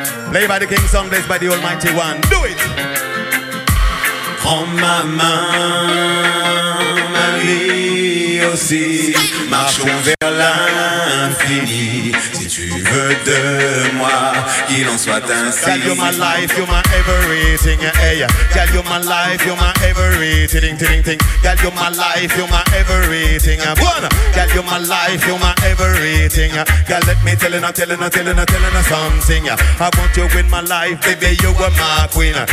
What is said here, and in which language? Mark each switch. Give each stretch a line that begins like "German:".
English: Play by the King's Song, blessed by the Almighty One. Do it!
French: Prends ma main, ma vie aussi, marchons vers l'infini, si tu veux de moi, qu'il en soit ainsi.
English: Girl, you're my life, you're my everything, hey. Girl, you're my life, you're my everything, ting, ting, ting. Girl, you're my life, you're my everything, one. Girl, you're my life, you're my everything. Girl, let me tell you, tell you, tell you, tell you something. I want you with my life, baby, you are my queen.